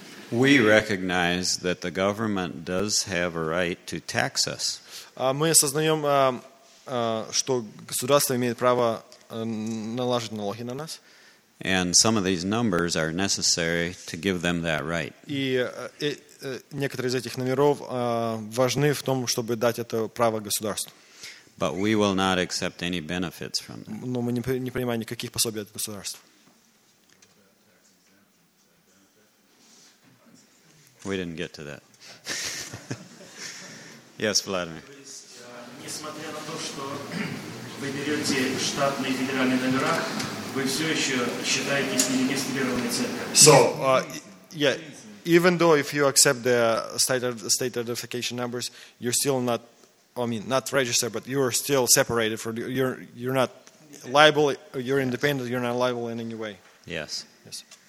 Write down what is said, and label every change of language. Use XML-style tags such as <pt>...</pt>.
<en>We recognize that the government does have a right to tax us.</en> <ru>Мы осознаем, что государство имеет право наложить налоги на нас.</ru> <en>And some of these numbers are necessary to give them that right.</en> <ru>И некоторые из этих номеров важны в том, чтобы дать это право государству.</ru> <en>But we will not accept any benefits from them.</en> <ru>Но мы не принимаем никаких пособий от государства.</ru> <en>We didn't get to that. Yes, Vladimir.</en> <ru>Несмотря на то, что вы берете штатные федеральные номера, вы все еще считаетесь нерегистрированной церковью.</ru> <en>So, even though if you accept the state identification numbers, you're still not registered, but you're still separated from you're not liable. You're independent. You're not liable in any way. Yes. Yes.</en>